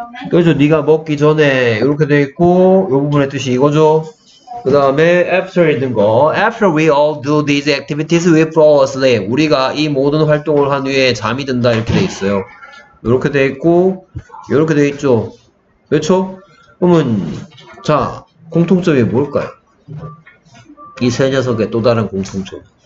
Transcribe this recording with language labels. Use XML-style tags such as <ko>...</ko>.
<ko>그렇죠, 네가 먹기 전에 이렇게 돼 있고 이 부분의 뜻이 이거죠. 그 다음에</ko> <en>after</en> <ko>있는 거</ko> <en>after we all do these activities we fall asleep.</en> <ko>우리가 이 모든 활동을 한 후에 잠이 든다 이렇게 돼 있어요. 이렇게 돼 있고 이렇게 돼 있죠. 그렇죠? 그러면 자, 공통점이 뭘까요? 이 세 녀석의 또 다른 공통점.</ko>